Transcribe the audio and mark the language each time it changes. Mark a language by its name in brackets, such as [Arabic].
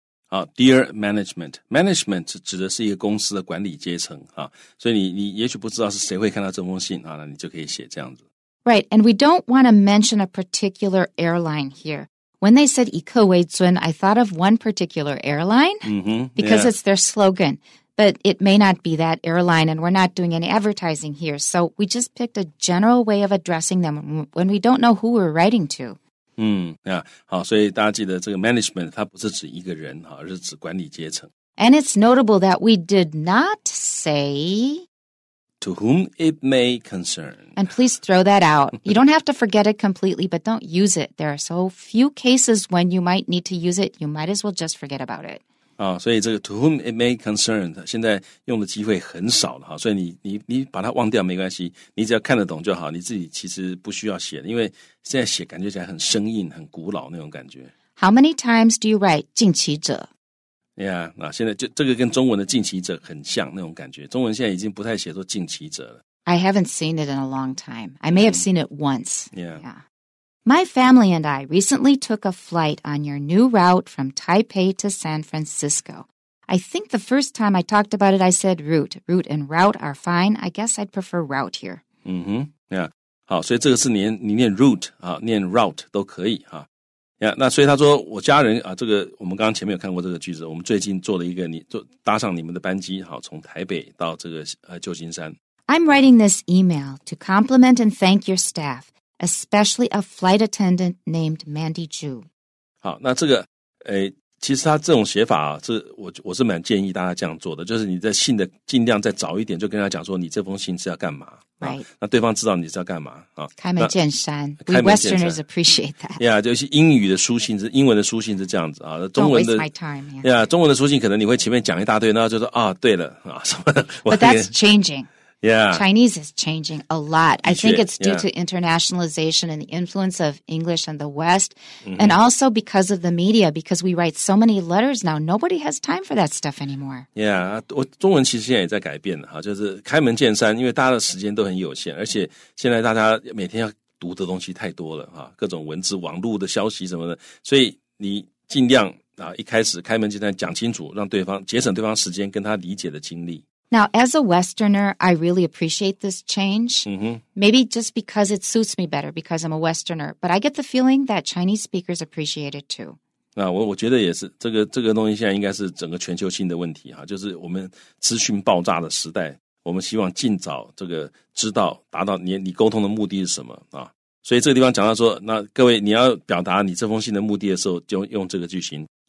[Chinese] 好 , [English] Dear Management, [Chinese] Management 指的是一个公司的管理阶层、啊、所以你也许不知道是谁会看到这封信、啊、那你就可以写这样子。 [English] Right, and we don't want to mention a particular airline here. When they said [Chinese] 以客为尊 [English] I thought of one particular airline、 mm-hmm, because、 yeah. it's their slogan, but it may not be that airline and we're not doing any advertising here, so we just picked a general way of addressing them when we don't know who we're writing to. [Chinese] 嗯、啊、好，所以大家记得这个 management 它不是指一个人，而是指管理阶层。 [English] And it's notable that we did not say to whom it may concern. And please throw that out. You don't have to forget it completely, but don't use it. There are so few cases when you might need to use it, you might as well just forget about it. [Chinese] 啊、所以这个 [English] to whom it may concern [Chinese] 现在用的机会很少了、啊、所以 你把它忘掉没关系，你只要看得懂就好，你自己其实不需要写，因为现在写感觉起来很生硬很古老那种感觉。 [English] How many times do you write [Chinese] 近期者 yeah,、啊、现在就这个跟中文的近期者很像那种感觉，中文现在已经不太写作近期者了。 [English] I haven't seen it in a long time. I may have seen it once. Yeah. Yeah. My family and I recently took a flight on your new route from Taipei to San Francisco. I think the first time I talked about it, I said route. Route and route are fine. I guess I'd prefer route here. Mm-hmm. Yeah. [Chinese] 好，所以这个是 你念 route 啊，念 route 都可以啊。那所以他说我家人啊，这个我们刚刚前面有看过这个句子，我们最近做了一个你坐搭上你们的班机，好，从台北到这个旧金山。 [English] I'm writing this email to compliment and thank your staff, especially a flight attendant named Mandy Zhu. [Chinese] 好，那这个其实他这种写法啊，这我是蛮建议大家这样做的，就是你在信的尽量再早一点就跟他讲说你这封信是要干嘛。 [English] Right. [Chinese] 那对方知道你是要干嘛。开门见山。 [English] We Westerners appreciate that. [Chinese] Yeah, 就是英语的书信是英文的书信是这样子啊。 [English] Don't waste my time. Yeah. [Chinese] Yeah, 中文的书信可能你会前面讲一大堆，然后就说啊对了啊什么 [English] 的。But that's changing. Yeah. Chinese is changing a lot. I think it's due to internationalization and the influence of English and the West. And also because of the media, because we write so many letters now, nobody has time for that stuff anymore. [Chinese] Yeah, 我中文其实现在也在改变了，就是开门见山，因为大家的时间都很有限，而且现在大家每天要读的东西太多了，各种文字、网络的消息什么的，所以你尽量一开始开门见山讲清楚，让对方节省对方时间跟他理解的精力。 [English] Now, as a Westerner, I really appreciate this change. Maybe just because it suits me better, because I'm a Westerner. But I get the feeling that Chinese speakers appreciate it too. [Chinese] 我觉得也是，这个东西现在应该是整个全球性的问题哈，就是我们资讯爆炸的时代，我们希望尽早这个知道，达到你沟通的目的是什么啊？所以这个地方讲到说，那各位你要表达你这封信的目的的时候，就用这个句型。